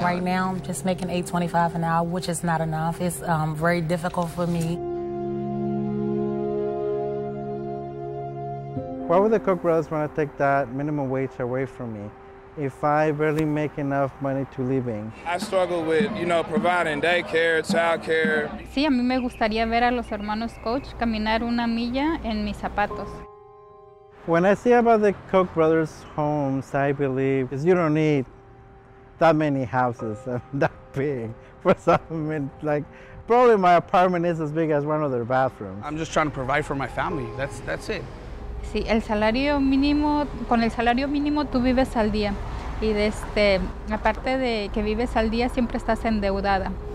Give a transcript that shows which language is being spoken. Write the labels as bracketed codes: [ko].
[en] Right now, I'm just making $8.25 an hour, which is not enough. It's very difficult for me. Why would the Koch brothers want to take that minimum wage away from me if I barely make enough money to live in? I struggle with, providing daycare, childcare. [es] Sí, a mí me gustaría ver a los hermanos Koch caminar una milla en mis zapatos. [en] When I see about the Koch brothers' homes, I believe is you don't need that many houses that big for something. Like, probably my apartment is as big as one of their bathrooms. I'm just trying to provide for my family. That's it. [es] Sí, el salario mínimo, con el salario mínimo tú vives al día. Y aparte de que vives al día, siempre estás endeudada.